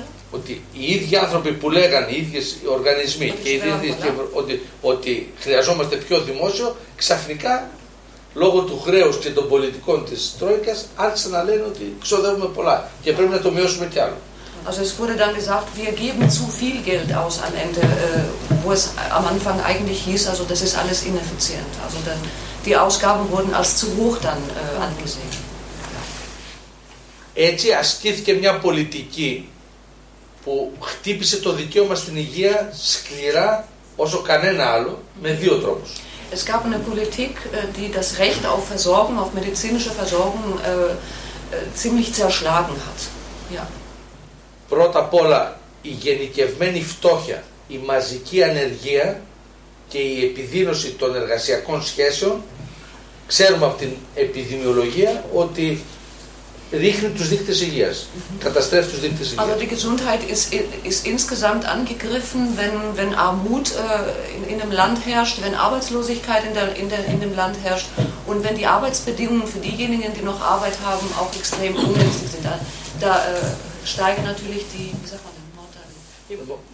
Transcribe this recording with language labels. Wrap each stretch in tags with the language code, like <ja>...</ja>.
<el>ότι οι ίδιοι άνθρωποι που λέγανε, οι ίδιες οργανισμοί και οι ίδιες ότι χρειαζόμαστε πιο δημόσιο, ξαφνικά λόγω του χρέους και των πολιτικών της Τρόικας άρχισαν να λένε ότι ξοδεύουμε πολλά και πρέπει να το μειώσουμε κι άλλο.</el> <de>Also es wurde dann gesagt, wir geben zu viel Geld aus am Ende, wo es am Anfang eigentlich hieß, also das ist alles ineffizient. Also dann, die Ausgaben wurden als zu hoch dann angesehen.</de> <el>Έτσι ασκήθηκε μια πολιτική που χτύπησε το δικαίωμα στην υγεία σκληρά όσο κανένα άλλο, με δύο τρόπους.</el> <de>Es gab eine Politik, die das Recht auf Versorgung, auf medizinische Versorgung ziemlich zerschlagen hat. Ja.</de> <el>Πρώτα απ' όλα η γενικευμένη φτώχεια, η μαζική ανεργία και η επιδείνωση των εργασιακών σχέσεων, ξέρουμε από την επιδημιολογία ότι ρίχνει τους δείκτες υγείας, καταστρέφει τους δείκτες υγείας.</el> <de>Aber die Gesundheit ist insgesamt angegriffen, wenn Armut in dem Land herrscht, wenn Arbeitslosigkeit in dem Land herrscht und wenn die Arbeitsbedingungen für diejenigen, die noch Arbeit haben, auch extrem ungünstig sind. Steigt natürlich die, wie sagt man,</de>